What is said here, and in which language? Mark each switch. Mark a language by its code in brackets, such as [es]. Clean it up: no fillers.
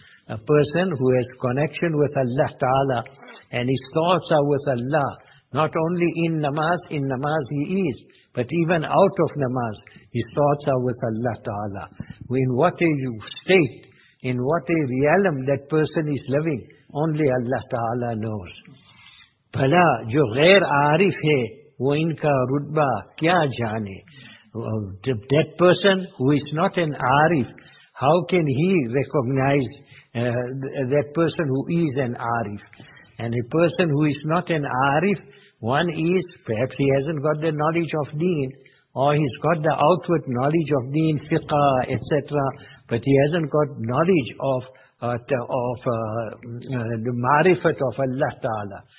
[en] A person who has connection with Allah Ta'ala, and his thoughts are with Allah, not only in namaz he is, but even out of namaz, his thoughts are with Allah Ta'ala. In what a state, in what a realm that person is living, only Allah Ta'ala knows. [ur] بھلا جو غیر عارف ہے وہ ان کا رتبہ کیا جانے [en] that person who is not an Arif, how can he recognize that person who is an Arif? And a person who is not an Arif, one is, perhaps he hasn't got the knowledge of Deen, or he's got the outward knowledge of Deen, Fiqh, etc., but he hasn't got knowledge of the Marifat of Allah Ta'ala.